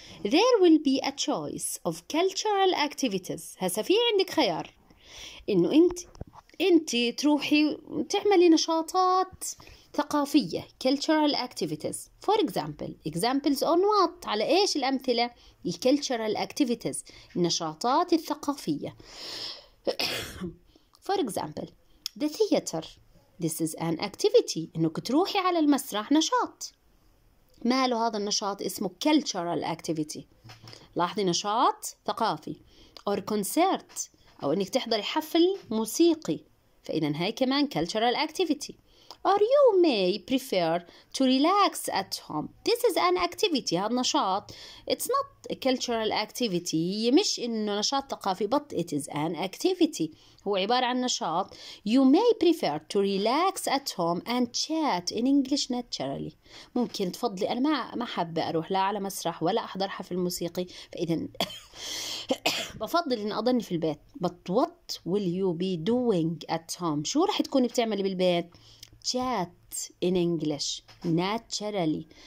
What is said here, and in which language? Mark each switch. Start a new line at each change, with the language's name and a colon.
English: There will be a choice of cultural activities.
Arabic: هسا في عندك خيار. إنه أنت تروحي تعملي نشاطات. ثقافية
English: cultural activities for example examples on what
Arabic: على إيش الأمثلة
English: the cultural activities
Arabic: النشاطات الثقافية
English: for example the theater this is an activity
Arabic: إنك تروحي على المسرح نشاط ما له هذا النشاط؟ اسمه cultural activity. لاحظي، نشاط ثقافي.
English: or concert،
Arabic: أو إنك تحضري حفل موسيقي، فإذا هاي كمان cultural activity.
English: or you may prefer to relax at home. this is an activity.
Arabic: هذا نشاط.
English: it's not a cultural activity.
Arabic: مش إنه نشاط ثقافي،
English: but it is an activity.
Arabic: هو عبارة عن نشاط.
English: you may prefer to relax at home and chat in English naturally.
Arabic: ممكن تفضلي، أنا ما حابة أروح لا على مسرح ولا أحضر حفل موسيقي، فإذا بفضل إن أضلني في البيت.
English: but what will you be doing at home؟
Arabic: شو راح تكوني بتعملي بالبيت؟
English: chat in English naturally.